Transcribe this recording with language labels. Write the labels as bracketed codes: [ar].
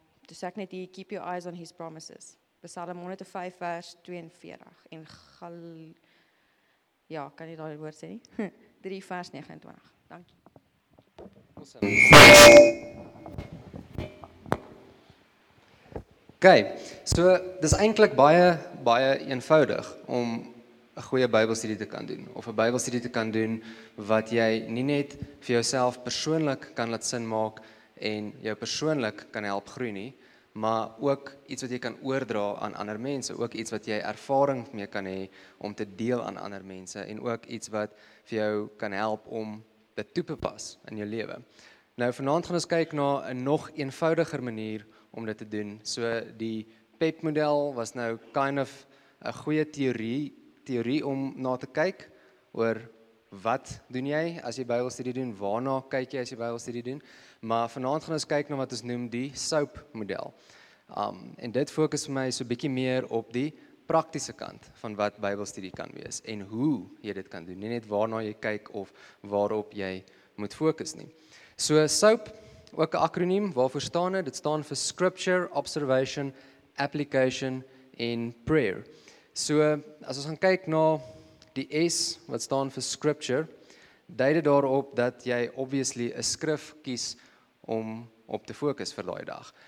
[af] Dus ek net hier, [en] keep your eyes on his promises. [af] Psalm 105 vers 42 en ja, kan jy daar die woord sê nie? 3 vers 29. Dankie. Oké, okay, so dis eintlik baie, baie eenvoudig om een goeie bybelstudie te kan doen, of een bybelstudie te kan doen wat jy nie net vir jouself persoonlik kan laat sin maak en jou persoonlik kan help groei nie, maar ook iets wat jy kan oordra aan ander mense, ook iets wat jy ervaring mee kan hê om te deel aan ander mense, en ook iets wat vir jou kan help om dit toe te pas in jou lewe. Nou, vanavond gaan ons kyk na een nog eenvoudiger manier om dit te doen. So, die PEP-model was nou [en] kind of [af] een goeie theorie om na te kyk, oor wat doen jy as jy bybelstudie doen, waarna kyk jy as jy bybelstudie doen, maar vanavond gaan ons kyk na wat ons noem die SOAP-model. En dit fokus vir my so bietjie meer op die praktiese kant van wat bybelstudie kan wees, en hoe jy dit kan doen, nie net waarna jy kyk of waarop jy moet fokus nie. So SOAP, ook een akroniem, waarvoor staan dit? Dit staan vir Scripture, Observation, Application en Prayer. So, as ons gaan kyk na die S, wat staan vir Scripture, dui dit daarop dat jy obviously een skrif kies om op te fokus vir daai dag.